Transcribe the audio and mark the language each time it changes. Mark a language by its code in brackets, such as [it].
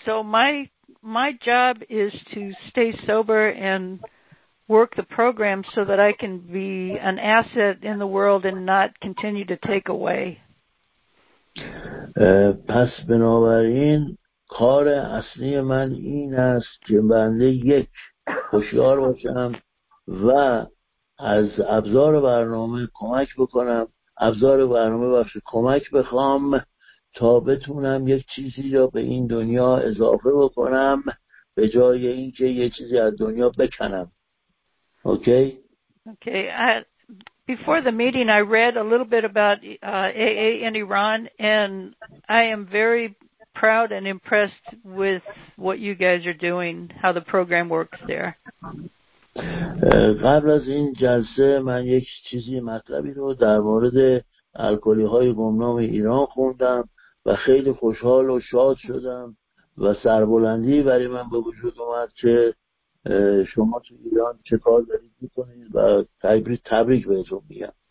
[en] So my job is to stay sober and work the program so that I can be an asset in the world and not continue to take away. [fa] پس بنابراین کار اصلی من این است که بنده یک هوشیار باشم و از ابزار برنامه کمک بکنم، ابزار برنامه بخش کمک بخوام تا بتونم یک چیزی را به این دنیا اضافه بکنم به جای اینکه یه چیزی از دنیا بکنم. [en] Okay? Okay. Before the meeting I read a little bit about AA in Iran and I am very proud and impressed with what you guys are doing, how the program works there. [fa] قبل از این جلسه من یک چیزی مطلبی رو در مورد الکلی‌های گمنام ایران خوندم و خیلی خوشحال و شاد شدم و سربلندی برای من به وجود اومد که شما تو ایران چه کار دارید میکنید و تبریک بهتون میگم.